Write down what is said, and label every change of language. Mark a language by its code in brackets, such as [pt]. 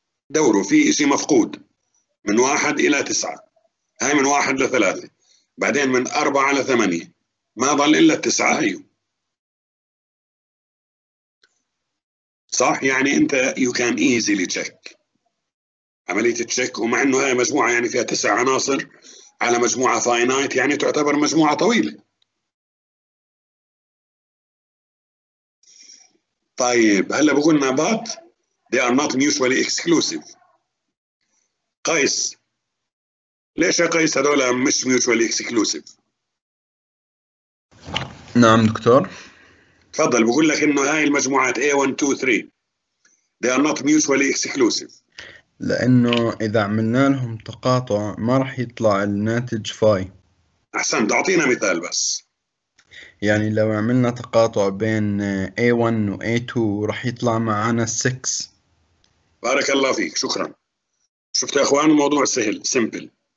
[ar] دوروا في إشي مفقود من 1 إلى 9، هاي من 1 إلى 3، بعدين من 4 إلى 8، ما ظل إلا 9 هاي، صح؟ يعني أنت [en] you can easily check [ar] عملية تشيك، ومع أنه هاي مجموعة يعني فيها 9 عناصر على مجموعة فاينايت، يعني تعتبر مجموعة طويلة. طيب هلأ بقولنا [en] but they are not mutually exclusive. [ar] قيس، ليش يا قيس هذولا مش mutually exclusive؟ نعم دكتور تفضل. بقول لك أنه هاي المجموعات A1, 2, 3 [en] they are not mutually exclusive، [ar] لأنه إذا عملنا لهم تقاطع ما رح يطلع الناتج فاي. أحسن، تعطينا مثال بس. يعني لو عملنا تقاطع بين A1 وA2 راح يطلع معنا 6. بارك الله فيك، شكرا. شفت يا اخوان الموضوع سهل سمبل.